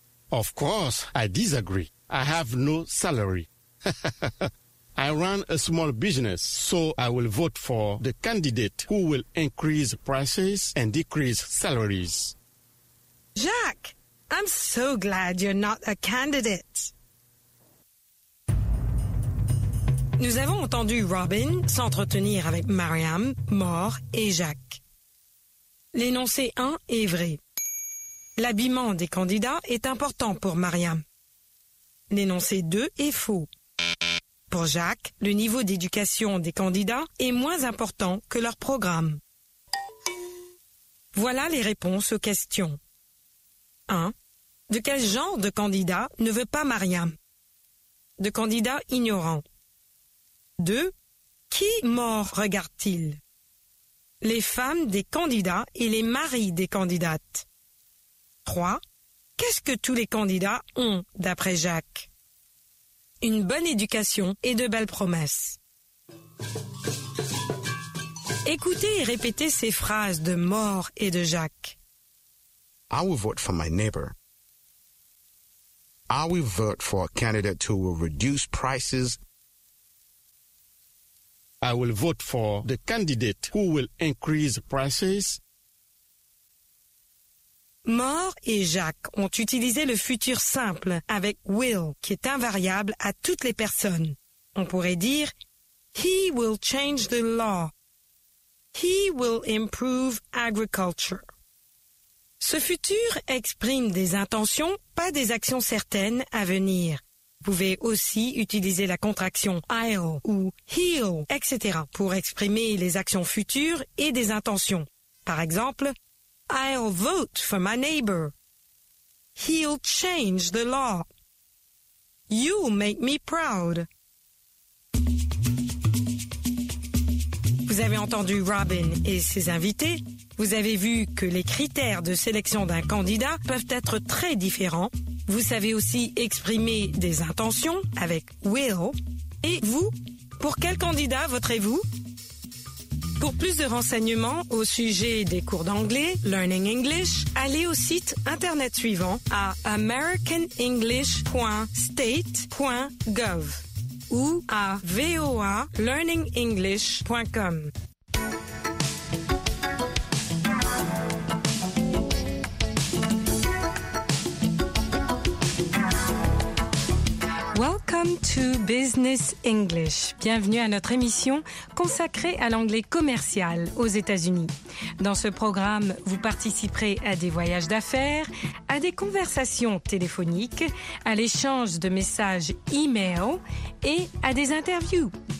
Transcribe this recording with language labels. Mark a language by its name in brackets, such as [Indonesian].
[English] Of course, I disagree. I have no salary. I run a small business, so I will vote for the candidate who will increase prices and decrease salaries. Jacques, I'm so glad you're not a candidate. [French] Nous avons entendu Robin s'entretenir avec Mariam, Moore et Jacques. L'énoncé 1 est vrai. L'habillement des candidats est important pour Mariam. L'énoncé 2 est faux. Pour Jacques, le niveau d'éducation des candidats est moins important que leur programme. Voilà les réponses aux questions. 1. De quel genre de candidat ne veut pas Mariam? De candidat ignorant. 2. Qui mort regarde-t-il? Les femmes des candidats et les maris des candidates. 3. Qu'est-ce que tous les candidats ont, d'après Jacques? Une bonne éducation et de belles promesses. Écoutez et répétez ces phrases de Mort et de Jacques. [English] I will vote for my neighbor. I will vote for a candidate who will reduce prices. I will vote for the candidate who will increase prices. [French] Moore et Jacques ont utilisé le futur simple avec will, qui est invariable à toutes les personnes. On pourrait dire, [English] he will change the law. He will improve agriculture. [French] Ce futur exprime des intentions, pas des actions certaines à venir. Vous pouvez aussi utiliser la contraction I'll ou he'll, etc. pour exprimer les actions futures et des intentions. Par exemple, [English] I'll vote for my neighbor. He'll change the law. You make me proud. [French] Vous avez entendu Robin et ses invités. Vous avez vu que les critères de sélection d'un candidat peuvent être très différents. Vous savez aussi exprimer des intentions avec will. Et vous, pour quel candidat voterez-vous? Pour plus de renseignements au sujet des cours d'anglais, Learning English, allez au site Internet suivant à americanenglish.state.gov ou à voalearningenglish.com. [English] Welcome to Business English. [French] Bienvenue à notre émission consacrée à l'anglais commercial aux États-Unis. Dans ce programme, vous participerez à des voyages d'affaires, à des conversations téléphoniques, à l'échange de messages e-mail et à des interviews.